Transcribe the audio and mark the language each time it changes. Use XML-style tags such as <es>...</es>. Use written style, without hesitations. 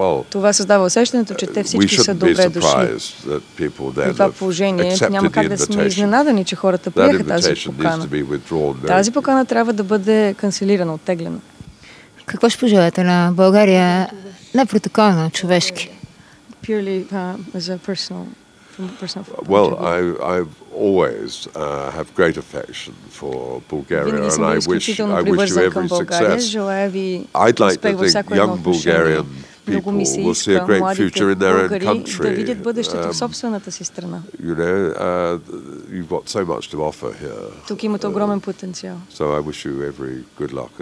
<bg>Това създава усещането, че те всички са добре дошли. В това положение няма как да сме изненадани, че хората приеха тази покана. Тази покана трябва да бъде канцелирана, оттеглена. Какво ще пожелаете на България, не протоколно, човешки?</bg> <en>Purely as a personal, from a personal point of view. Well, I've always have great affection for Bulgaria, and I wish you every success. I'd like to think young Bulgarian people will see a great future in their own country.</en> <bg>Да видят бъдещето в собствената си страна.</bg> <en>You know, you've got so much to offer here.</en> <bg>Тук имате огромен потенциал.</bg> <en>So I wish you every good luck and</en>